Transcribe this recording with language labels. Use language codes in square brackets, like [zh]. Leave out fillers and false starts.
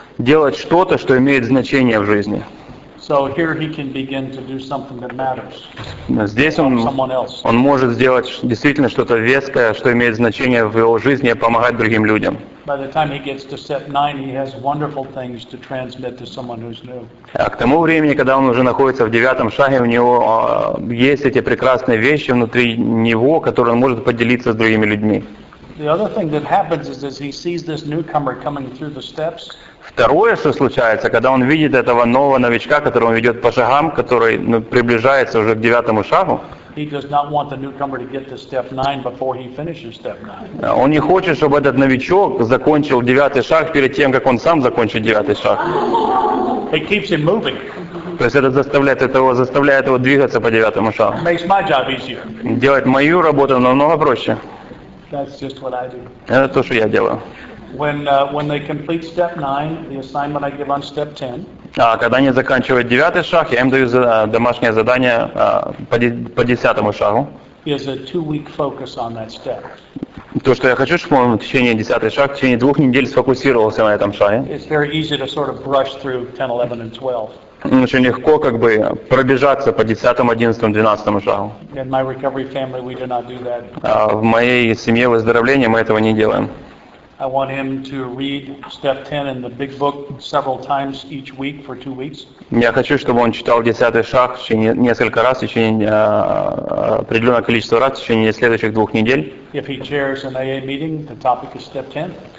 [ru] Делать что-то, что имеет значение в жизни. [en] So here he can begin to do something that matters. [ru] Здесь он может сделать действительно что-то веское, что имеет значение в его жизни, и помогать другим людям. [en] By the time he gets to step 9, he has wonderful things to transmit to someone who's new. [ru] А к тому времени, когда он уже находится в девятом шаге, у него есть эти прекрасные вещи внутри него, которые он может поделиться с другими людьми. [en] The other thing that happens is as he sees this newcomer coming through the steps. [ru] Второе, что случается, когда он видит этого нового новичка, который он ведет по шагам, который ну, приближается уже к девятому шагу, он не хочет, чтобы этот новичок закончил девятый шаг перед тем, как он сам закончит девятый шаг. [en] It keeps him moving. [ru] То есть это заставляет его двигаться по девятому шагу. [en] Makes my job easier. [ru] Делать мою работу намного проще. [en] That's just what I do. [ru] Это то, что я делаю. [en] When they complete step 9, the assignment I give on step 10. [ru] А когда они заканчивают девятый шаг, я им даю домашнее задание по десятому шагу. [en] Is a 2-week focus on that step. [ru] То, что я хочу, чтобы он в течение десятого шага, в течение двух недель сфокусировался на этом шаге. [en] It's very easy to sort of brush through 10, 11, and 12. [ru] Очень легко как бы пробежаться по 10, 11, 12 шагу. [en] In my recovery family, we do not do that. [ru] А в моей семье выздоровления мы этого не делаем. [en] I want him to read step 10 in the big book several times each week for 2 weeks. [ru] Я хочу, чтобы он читал 10 шаг еще несколько раз, еще определенное количество раз, еще не следующих 2 недель. [en] If he chairs an AA meeting, the topic is step 10.